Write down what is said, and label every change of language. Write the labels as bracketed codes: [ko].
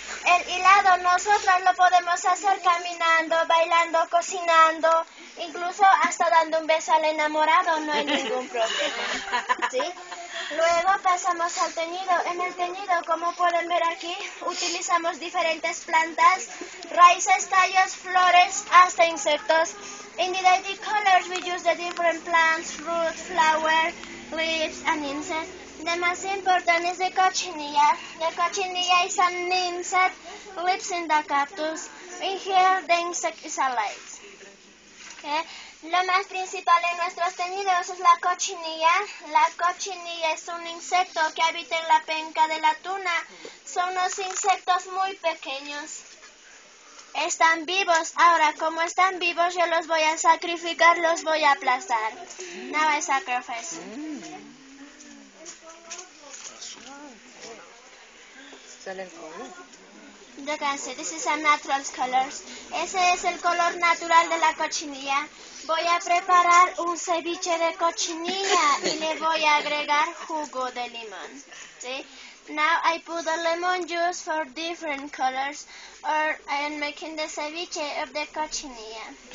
[es] El hilado nosotros lo podemos hacer caminando, bailando, cocinando, incluso hasta dando un beso al enamorado, no hay ningún problema. ¿Sí? Luego pasamos al teñido. En el teñido, como pueden ver aquí, utilizamos diferentes plantas, raíces, tallos, flores, hasta insectos. [en] In the dyed colors, we use the different plants, fruits, flowers, leaves, and insects. The most important is the cochinilla. The cochinilla is an insect lives in the cactus. In here, the insect is alive. Okay. [es] Lo más principal en nuestros teñidos es la cochinilla. La cochinilla es un insecto que habita en la penca de la tuna. Son unos insectos muy pequeños. Están vivos. Ahora, como están vivos, yo los voy a sacrificar, los voy a aplastar. [en] Now I sacrifice. You can see, this is a natural color. [es] Ese es el color natural de la cochinilla. Voy a preparar un ceviche de cochinilla y le voy a agregar jugo de limón. ¿Sí? [en] Now I put the lemon juice for different colors, or I am making the ceviche of the cochinilla.